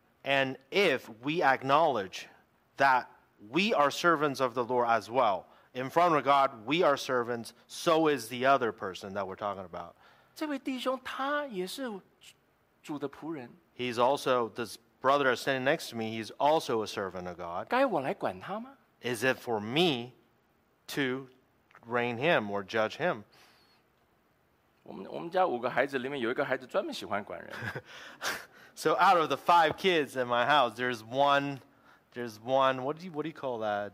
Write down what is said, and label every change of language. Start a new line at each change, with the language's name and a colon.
English: And if we acknowledge that we are servants of the Lord as well. In front of God, we are servants, so is the other person that we're talking about.
Chinese: 这位弟兄他也是主的仆人。
English: He's also, this brother standing next to me, he's also a servant of God.
Chinese: 该我来管他吗？
English: Is it for me to reign him or judge him?
Chinese: 我们家五个孩子里面有一个孩子专门喜欢管人。
English: So out of the five kids in my house, there's one, what do you call that?